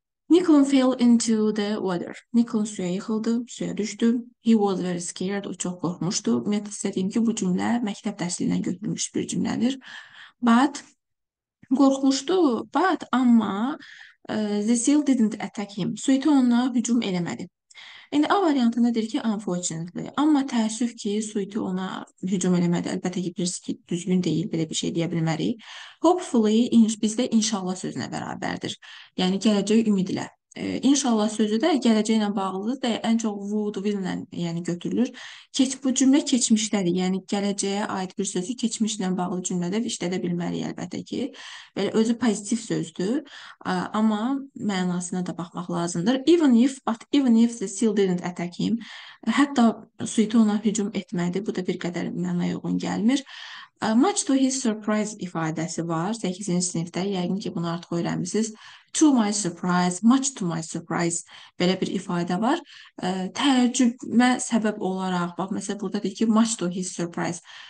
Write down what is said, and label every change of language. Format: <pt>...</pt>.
<en>Nikon fell into the water.</en> <az>Nikon suya yıxıldı, suya düşdü.</az> <en>He was very scared.</en> <az>O çox qorxmuşdu. Ümumiyyətlə istədiyim ki, bu cümlə məktəb dərsliyindən götürülmüş bir cümlədir.</az> <en>But qorxmuşdu, but amma the seal didn't attack him.</en> <az>Suiti ona hücum eləmədi. İndi A variantında deyir ki, unfortunately. Amma təəssüf ki, Suiti ona hücum eləmədi. Əlbəttə ki, birisi ki, düzgün deyil, belə bir şey deyə bilmərik. Hopefully, bizdə inşallah sözünə bərabərdir. Yəni, gələcək ümid ilə. İnşallah sözü də gələcəklə bağlıdır. Deyə ən çox would, will ilə yəni götürülür. Bu cümlə keçmişdədir. Yəni, gələcəyə aid bir sözü keçmişlə bağlı cümlədə işlədə bilməliyik, əlbəttə ki. Belə özü pozitiv sözdür. Amma mənasına da baxmaq lazımdır.</az> <en>Even if the seal didn't attack him.</en> <az>Hətta suit ona hücum etmədi. Bu da bir qədər mənaya uyğun gəlmir. Much to his surprise ifadəsi var 8-ci sinifdə. Yəqin ki, bunu artıq öyrənmisiniz.</az> <en>To my surprise, much to my surprise</en> <az>belə bir ifadə var. Təəccübə səbəb olaraq, bax, məsələn, burada deyir ki, much to his surprise.</az>